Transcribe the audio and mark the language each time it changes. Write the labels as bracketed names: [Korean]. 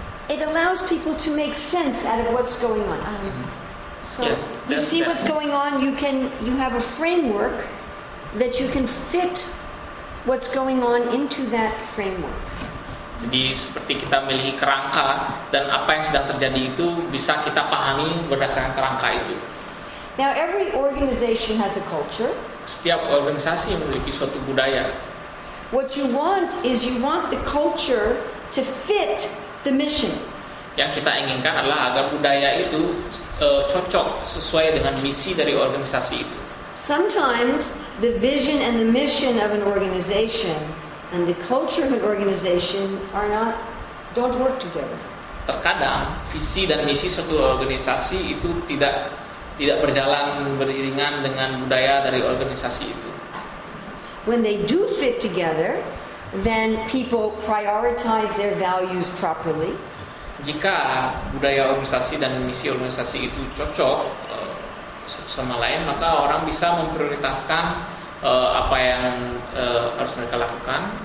[English] it allows people to make sense out of what's going on. So yeah, you see what's going on, you have a framework that you can fit what's going on into that framework. [Indonesian] Jadi seperti kita memiliki kerangka dan apa yang sedang terjadi itu bisa kita pahami berdasarkan kerangka itu. [English] Now every organization has a culture. [Indonesian] Setiap organisasi memiliki suatu budaya. [English] What you want is you want the culture to fit the mission. [Indonesian] Yang kita inginkan adalah agar budaya itu cocok sesuai dengan misi dari organisasi itu. [English] Sometimes the vision and the mission of an organization and the culture of an organization don't work together. [Indonesian] Terkadang visi dan misi suatu organisasi itu tidak berjalan beriringan dengan budaya dari organisasi itu. [English] When they do fit together, then people prioritize their values properly. [Indonesian] Jika budaya organisasi dan misi organisasi itu cocok sama lain, maka orang bisa memprioritaskan apa yang harus mereka lakukan.